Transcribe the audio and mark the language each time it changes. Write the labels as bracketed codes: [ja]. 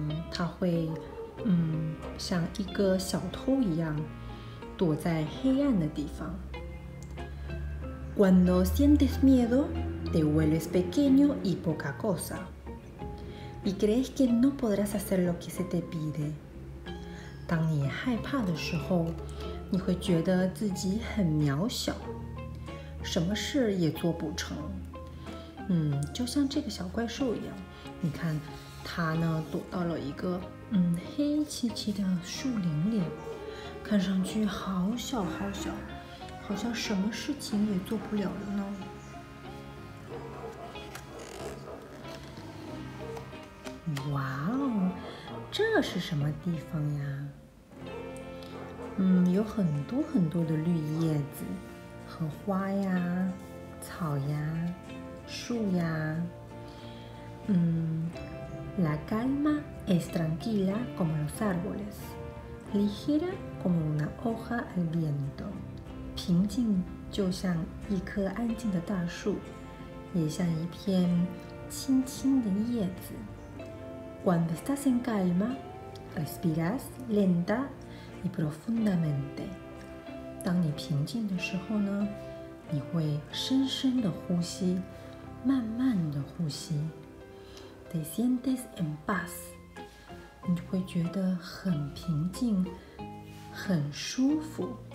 [zh] 他会像一个小偷一样躲在黑暗的地方。 [es] Cuando sientes miedo, te vuelves pequeño y poca cosa. Y crees que no podrás hacer lo que se te pide. [zh] 当你害怕的时候，你会觉得自己很渺小，什么事也做不成。就像这个小怪兽一样，你看它呢躲到了一个黑漆漆的树林里，看上去好小好小，好像什么事情也做不了了呢。哇哦，这是什么地方呀？有很多很多的绿叶子和花呀、草呀、树呀。 [es] La calma es tranquila como los árboles, ligera como una hoja al viento. [zh] 平静就像一棵安静的大树，也像一片轻轻的叶子。 [es] Cuando estás en calma, respiras lenta y profundamente. [zh] 当你平静的时候呢，你会深深的呼吸，慢慢的呼吸。 [es] Te sientes en paz. [zh] 你会觉得很平静，很舒服。